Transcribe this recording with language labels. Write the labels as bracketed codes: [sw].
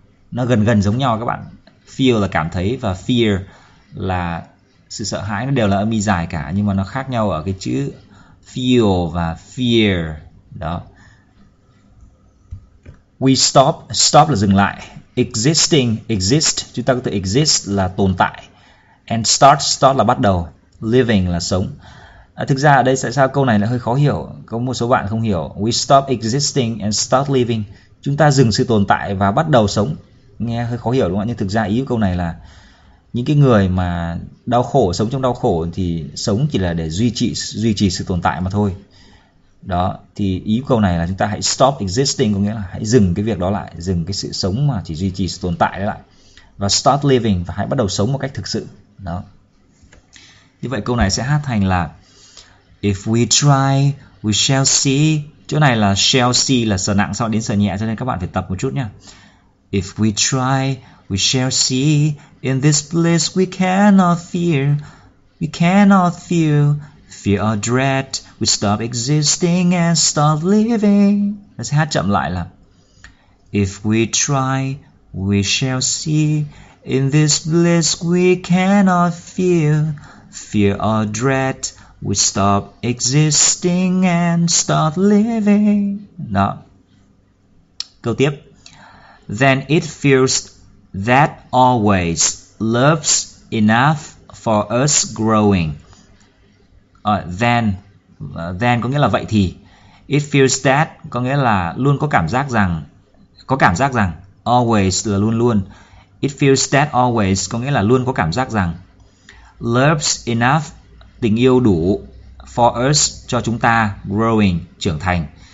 [vi] Nó gần gần giống nhau các bạn. Feel là cảm thấy và fear là sự sợ hãi, nó đều là âm y dài cả, nhưng mà nó khác nhau ở cái chữ feel và fear. Đó. We stop, stop là dừng lại. Existing, exist, chúng ta có từ exist là tồn tại. And start, start là bắt đầu. Living là sống. Thực ra ở đây tại sao câu này lại hơi khó hiểu, có một số bạn không hiểu. [en] We stop existing and start living. [vi] Chúng ta dừng sự tồn tại và bắt đầu sống. Nghe hơi khó hiểu đúng không ạ? Nhưng thực ra ý của câu này là những cái người mà đau khổ, sống trong đau khổ thì sống chỉ là để duy trì sự tồn tại mà thôi. Đó, thì ý của câu này là chúng ta hãy [en] stop existing, [vi] có nghĩa là hãy dừng cái việc đó lại, dừng cái sự sống mà chỉ duy trì sự tồn tại đó lại. Và [en] start living, [vi] và hãy bắt đầu sống một cách thực sự. Đó. Như vậy câu này sẽ hát thành là [en] if we try, we shall see. [vi] Chỗ này là shall see là sờ nặng sau đến sờ nhẹ, cho nên các bạn phải tập một chút nhé. [en] If we try, we shall see. In this bliss we cannot fear. We cannot feel. Fear or dread. We stop existing and start living. [vi] Nó sẽ hát chậm lại là [en] if we try, we shall see. In this bliss we cannot feel. Fear or dread. We stop existing and start living. [vi] Đó. Câu tiếp. [en] Then it feels that always love's enough for us growing. [vi] Then có nghĩa là vậy thì. It feels that có nghĩa là luôn có cảm giác rằng. Có cảm giác rằng. Always là luôn luôn. It feels that always có nghĩa là luôn có cảm giác rằng. Love's enough, tình yêu đủ. For us, cho chúng ta, growing, trưởng thành.